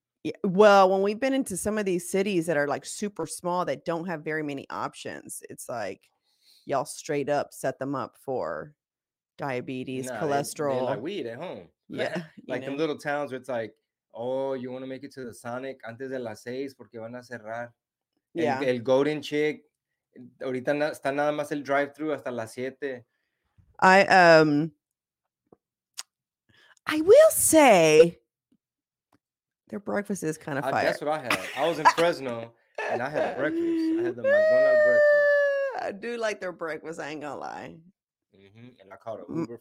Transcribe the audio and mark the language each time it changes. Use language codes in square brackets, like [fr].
[en] Yeah, well, when we've been into some of these cities that are like super small that don't have very many options, it's like y'all straight up set them up for diabetes, cholesterol. They like weed at home. Yeah. Like in little towns where it's like, oh, you want to make it to the Sonic [es] antes de las 6 porque van a cerrar. [en] Yeah. [es] El Golden Chick. Ahorita está nada más el drive-thru hasta las 7. [en] I will say their breakfast is kind of fire. That's what I had. I was in Fresno and I had breakfast. I had the McDonald's breakfast. I do like their breakfast. I ain't going to lie. Mm-hmm. And I called it Uber.